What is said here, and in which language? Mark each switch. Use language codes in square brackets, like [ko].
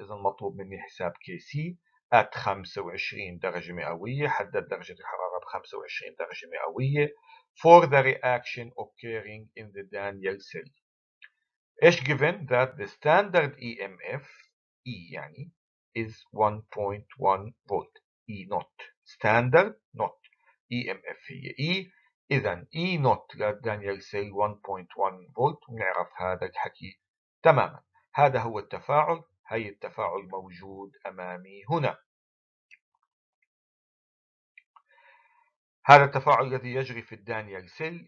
[ar] إذا مطلوب مني حساب KC at 25 درجة مئوية. حدد درجة الحرارة ب 25 درجة مئوية. [en] For the reaction occurring in the Daniell cell. It's given that the standard EMF, E يعني is 1.1 volt E not standard not EMF هي E. [ar] إذا E not لدانيال سيل 1.1 volt، ونعرف هذا الحكي تماما. هذا هو التفاعل، هي التفاعل موجود أمامي هنا، هذا التفاعل الذي يجري في الدانيال سيل.